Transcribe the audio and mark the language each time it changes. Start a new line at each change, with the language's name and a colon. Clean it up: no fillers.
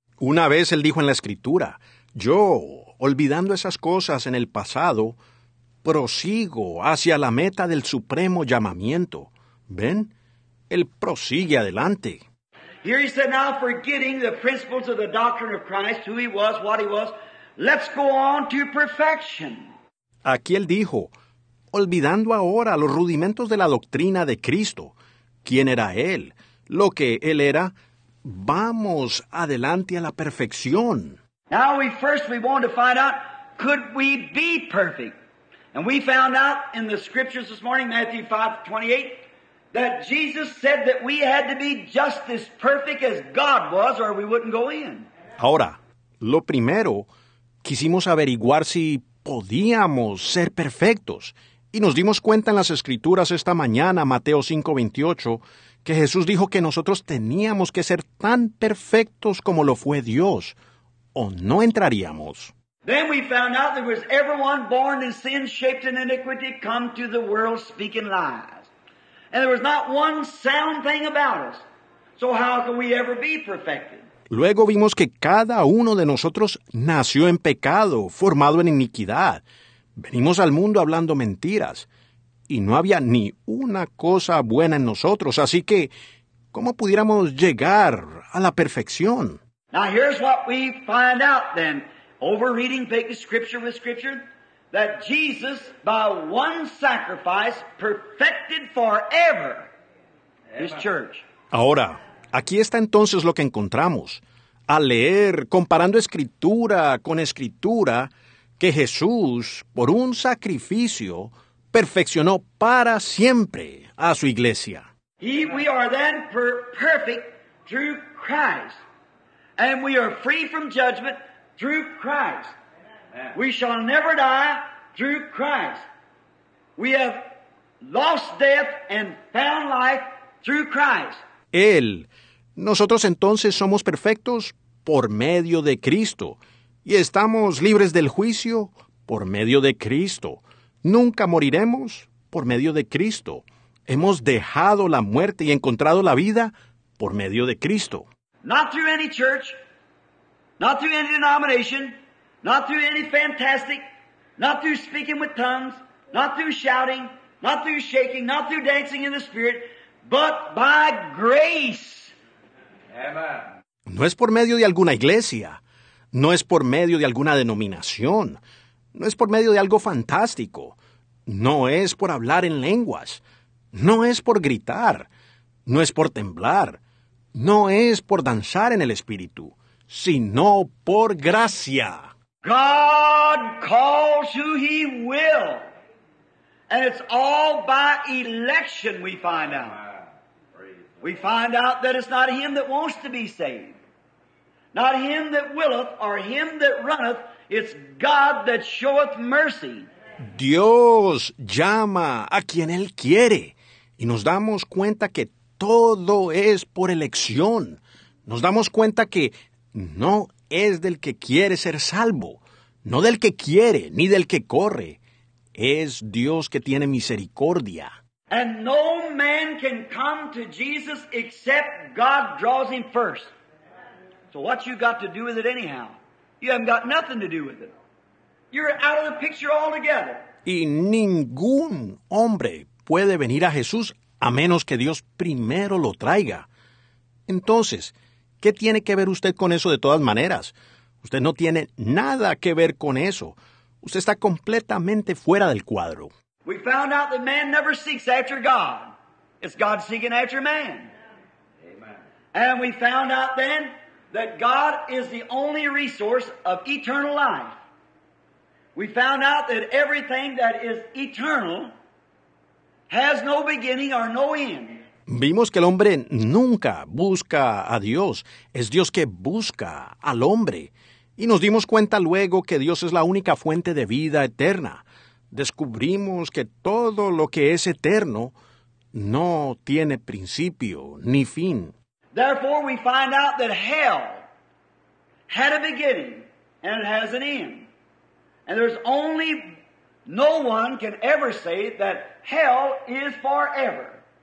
Spanish: Una vez él dijo en la escritura, yo, olvidando esas cosas en el pasado, prosigo hacia la meta del supremo llamamiento. ¿Ven? Él prosigue adelante.
English: Here he said, now forgetting the principles of the doctrine of Christ, who he was, what he was, let's go on to perfection.
Spanish: Aquí él dijo, olvidando ahora los rudimentos de la doctrina de Cristo, quién era él, lo que él era, vamos adelante a la perfección.
English: Now we want to find out, could we be perfect? And we found out in the scriptures this morning, Matthew 5:28, that Jesus said that we had to be just as perfect as God was, or we wouldn't go in.
Spanish: Ahora, lo primero, quisimos averiguar si podíamos ser perfectos. Y nos dimos cuenta en las escrituras esta mañana, Mateo 5:28, que Jesús dijo que nosotros teníamos que ser tan perfectos como lo fue Dios. o no entraríamos.
English: Then we found out there was everyone born in sin, shaped in iniquity, come to the world speaking lies. And there was not one sound thing about us. So how can we ever be perfected?
Spanish: Luego vimos que cada uno de nosotros nació en pecado, formado en iniquidad. Venimos al mundo hablando mentiras. Y no había ni una cosa buena en nosotros. Así que, ¿cómo pudiéramos llegar a la perfección?
English: Now here's what we find out then. Over reading scripture with scripture, that Jesus, by one sacrifice, perfected forever his church.
Spanish: Ahora, aquí está entonces lo que encontramos. Al leer, comparando escritura con escritura, que Jesús, por un sacrificio, perfeccionó para siempre a su iglesia.
English: We are then perfect through Christ, and we are free from judgment. Through Christ. We shall never die through Christ. We have lost death and found life through Christ.
Spanish: Él. Nosotros entonces somos perfectos por medio de Cristo. Y estamos libres del juicio por medio de Cristo. Nunca moriremos por medio de Cristo. Hemos dejado la muerte y encontrado la vida por medio de Cristo.
English: Not through any church. Not through any denomination, not through any fantastic, not through speaking with tongues, not through shouting, not through shaking, not through dancing in the Spirit, but by grace. Amen.
Spanish: No es por medio de alguna iglesia, no es por medio de alguna denominación, no es por medio de algo fantástico, no es por hablar en lenguas, no es por gritar, no es por temblar, no es por danzar en el Espíritu. Sino por gracia.
English: God calls who he will. And it's all by election we find out. We find out that it's not him that wants to be saved. Not him that willeth or him that runneth. It's God that showeth mercy.
Spanish: Dios llama a quien él quiere. Y nos damos cuenta que todo es por elección. Nos damos cuenta que no es del que quiere ser salvo, no del que quiere, ni del que corre. Es Dios que tiene misericordia.
English: And no man can come to Jesus except God draws him first. So what you got to do with it anyhow? You haven't got nothing to do with it. You're out of the picture altogether.
Spanish: Y ningún hombre puede venir a Jesús a menos que Dios primero lo traiga. Entonces, ¿qué tiene que ver usted con eso de todas maneras? Usted no tiene nada que ver con eso. Usted está completamente fuera del cuadro.
English: We found out that man never seeks after God. It's God seeking after man. Amen. And we found out then that God is the only resource of eternal life. We found out that everything that is eternal has no beginning or no end.
Spanish: Vimos que el hombre nunca busca a Dios. Es Dios que busca al hombre. Y nos dimos cuenta luego que Dios es la única fuente de vida eterna. Descubrimos que todo lo que es eterno no tiene principio ni fin.
English: Therefore, we find out that hell had a beginning and it has an end. And there's only no one can ever say that hell is forever.